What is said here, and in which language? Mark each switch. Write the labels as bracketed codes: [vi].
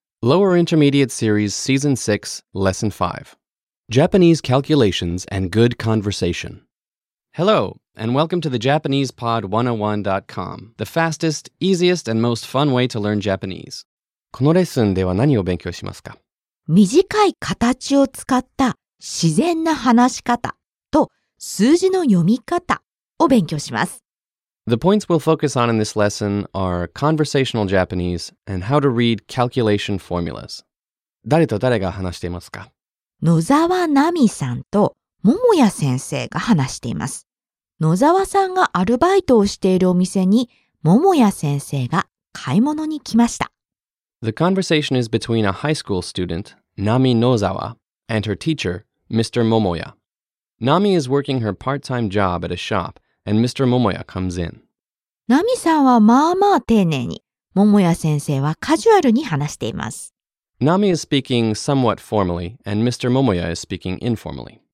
[en] Lower Intermediate Series Season 6 Lesson 5Japanese Calculations and Good Conversation. Hello, and welcome to the JapanesePod101.com, the fastest, easiest, and most fun way to learn Japanese. [ja] このレッスンでは何を勉強しますか？短い形を使った自然な話し方と数字の読み方を勉強します。 [en] The points we'll focus on in this lesson are conversational Japanese and how to read calculation formulas. [ja] 誰と誰が話していますか？野沢奈美さんと桃谷先生が話しています。野沢さんがアルバイトをしているお店に桃谷先生が買い物に来ました。 [en] The conversation is between a high school student, Nami Nozawa, and her teacher, Mr. Momoya. Nami is working her part-time job at a shop, and Mr. Momoya comes in. [ja] Nami さんはまあまあ丁寧に、桃谷先生はカジュアルに話しています。 [en] Nami is speaking somewhat formally, and Mr. Momoya is speaking informally.